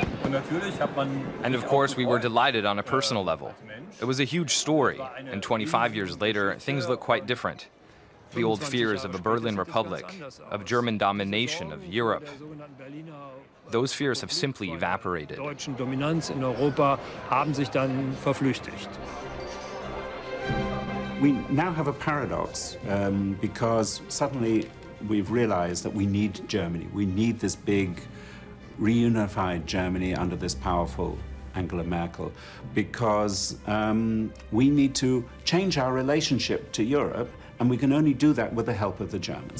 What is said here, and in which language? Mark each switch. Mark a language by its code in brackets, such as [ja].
[en] And of course, we were delighted on a personal level. It was a huge story, and 25 years later, things look quite different. The old fears of a Berlin Republic, of German domination of Europe, those fears have simply evaporated. [de] Deutschen Dominanz in Europa haben sich dann verflüchtigt. [en] We now have a paradox, because suddenly we've realized that we need Germany. We need this big, reunified Germany under this powerful Angela Merkel, because we need to change our relationship to Europe, and we can only do that with the help of the Germans.